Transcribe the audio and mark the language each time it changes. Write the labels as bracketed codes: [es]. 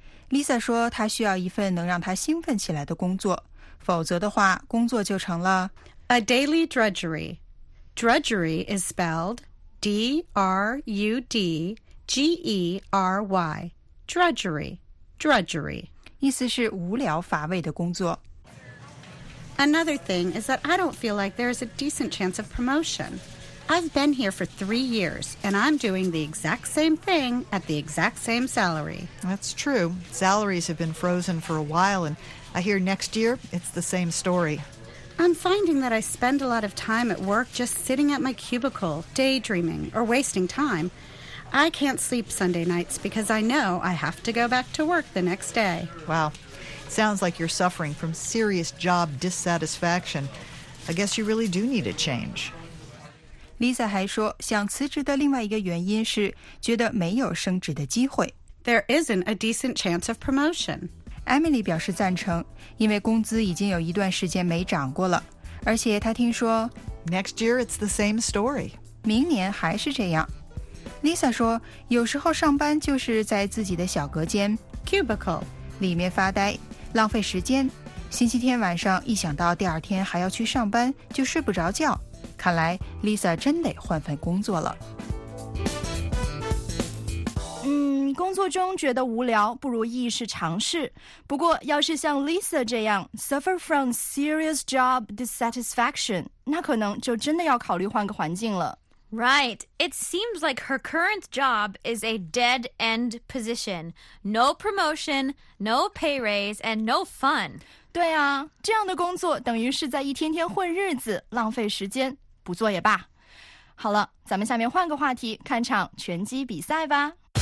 [zh] Lisa 说她需要一份能让她兴奋起来的工作，否则的话，工作就成了 [en] a daily drudgery. Drudgery is spelled D-R-U-D-G-E-R-Y. Drudgery, drudgery. [zh] 意思是无聊乏味的工作。 [en] Another thing is that I don't feel like there is a decent chance of promotion. I've been here for 3 years, and I'm doing the exact same thing at the exact same salary. That's true. Salaries have been frozen for a while, and I hear next year it's the same story. I'm finding that I spend a lot of time at work just sitting at my cubicle, daydreaming, or wasting time. I can't sleep Sunday nights because I know I have to go back to work the next day. Wow. Sounds like you're suffering from serious job dissatisfaction. I guess you really do need a change. [zh] Lisa 还说，想辞职的另外一个原因是觉得没有升职的机会。 [en] There isn't a decent chance of promotion. [zh] Emily 表示赞成，因为工资已经有一段时间没涨过了，而且她听说 [en] Next year it's the same story. [zh] 明年还是这样。Lisa 说，有时候上班就是在自己的小隔间 [en] cubicle [zh] 里面发呆，浪费时间。星期天晚上一想到第二天还要去上班，就睡不着觉。看来 Lisa 真得换份工作了。嗯，工作中觉得无聊，不如意是尝试。不过，要是像 Lisa 这样 [en] suffer from serious job dissatisfaction， [zh] 那可能就真的要考虑换个环境了。 [en] Right. It seems like her current job is a dead end position. No promotion, no pay raise, and no fun. [zh] 对啊，这样的工作等于是在一天天混日子，浪费时间，不做也罢。好了，咱们下面换个话题，看场拳击比赛吧。